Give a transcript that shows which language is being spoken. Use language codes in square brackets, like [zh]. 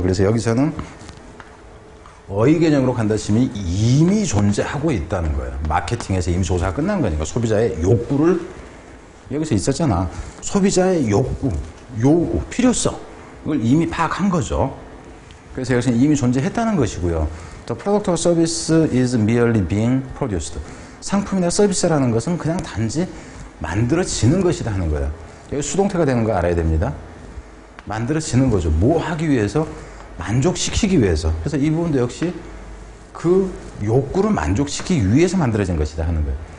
[ko] 그래서 여기서는 어휘 개념으로 간다치면 이미 존재하고 있다는 거예요. 마케팅에서 이미 조사가 끝난 거니까 소비자의 욕구를 여기서 있었잖아. 소비자의 욕구, 요구, 필요성을 이미 파악한 거죠. 그래서 여기서는 이미 존재했다는 것이고요. [en] The product or service is merely being produced. [ko] 상품이나 서비스라는 것은 그냥 단지 만들어지는 것이다 하는 거야. 여기 수동태가 되는 거 알아야 됩니다. 만들어지는 거죠. 뭐 하기 위해서? 만족시키기 위해서. 그래서 이 부분도 역시 그 욕구를 만족시키기 위해서 만들어진 것이다 하는 거예요.